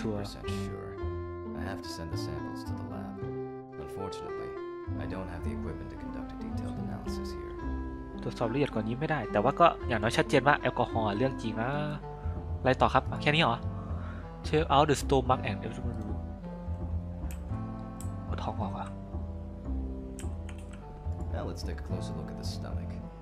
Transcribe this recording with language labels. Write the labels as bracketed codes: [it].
[en] sure I have to send the samples to the lab unfortunately I don't have the equipment to conduct a detailed analysis here [th] ตรวจสอบละเอียดกว่านี้ไม่ได้แต่ว่าก็อย่างน้อยชัดเจนว่าแอลกอฮอล์เรื่องจริงนะอะไรต่อครับแค่นี้เหรอ [en] เชฟเอาท์เดอะสโตมักแอนด์เอฟเฟกต์ [th] ท้องออกอ่ะ [en] Now let's take a closer look at the stomach.